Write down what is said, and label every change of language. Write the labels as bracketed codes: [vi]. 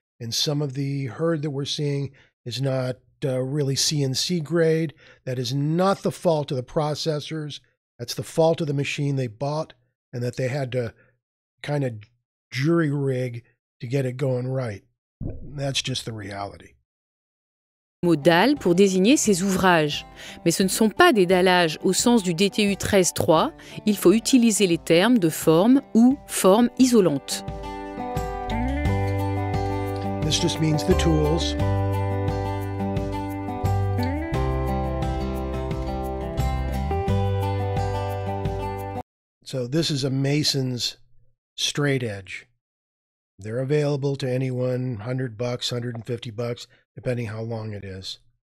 [en] And some of the herd that we're seeing is not really CNC grade. That is not the fault of the processors. That's the fault of the machine they bought, and that they had to kind of jury rig to get it going right. That's just the reality. [fr] mot dalle pour désigner ces ouvrages. Mais ce ne sont pas des dallages au sens du DTU 13.3, il faut utiliser les termes de forme ou forme isolante. [en] This just means the tools. So this is a mason's straight edge. They're available to anyone, $100, $150, depending how long it is.